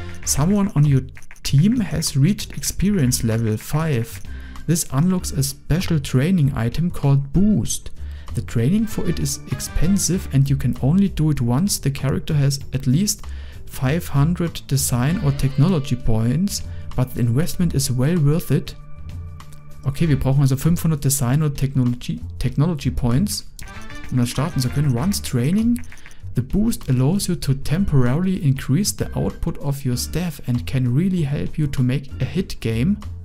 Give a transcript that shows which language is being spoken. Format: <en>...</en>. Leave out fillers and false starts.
<en>Someone on your team has reached experience level 5. This unlocks a special training item called Boost. The training for it is expensive and you can only do it once the character has at least 500 design or technology points, but the investment is well worth it.</en> <de>Okay, wir brauchen also 500 Design oder Technology Points, um das starten zu können.</de> <en>Runs Training. The boost allows you to temporarily increase the output of your staff and can really help you to make a hit game.</en>